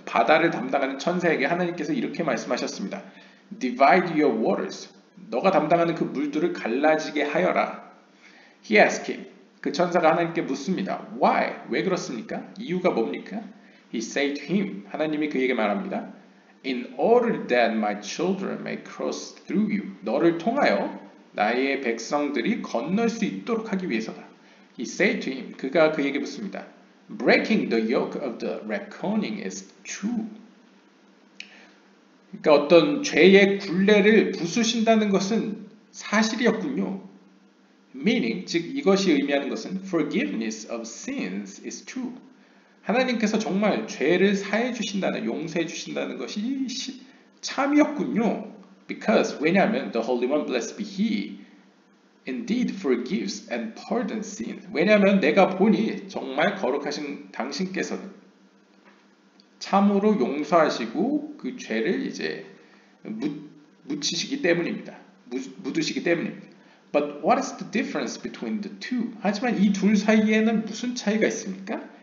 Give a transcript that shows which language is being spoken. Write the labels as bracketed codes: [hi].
[ko] 바다를 담당하는 천사에게 하나님께서 이렇게 말씀하셨습니다. [en] Divide your waters. [ko] 너가 담당하는 그 물들을 갈라지게 하여라. [en] He asked him. [ko] 그 천사가 하나님께 묻습니다. [en] Why? [ko] 왜 그렇습니까? 이유가 뭡니까? [en] He said to him. [ko] 하나님이 그에게 말합니다. [en] In order that my children may cross through you. [ko] 너를 통하여 나의 백성들이 건널 수 있도록 하기 위해서다. [en] He said to him. [ko] 그가 그에게 묻습니다. [en] Breaking the yoke of the reckoning is true. [ko] 그러니까 어떤 죄의 굴레를 부수신다는 것은 사실이었군요. [en] Meaning, [ko] 즉 이것이 의미하는 것은 [en] forgiveness of sins is true. [ko] 하나님께서 정말 죄를 사해 주신다는, 용서해 주신다는 것이 참이었군요. [en] Because, [ko] 왜냐하면 [en] the Holy One, blessed be He, indeed forgives and pardons sin. [ko] 왜냐하면 내가 보니 정말 거룩하신 당신께서는 참으로 용서하시고 그 죄를 이제 묻히시기 때문입니다. 묻으시기 때문입니다. [en] But what is the difference between the two? [ko] 하지만 이 둘 사이에는 무슨 차이가 있습니까?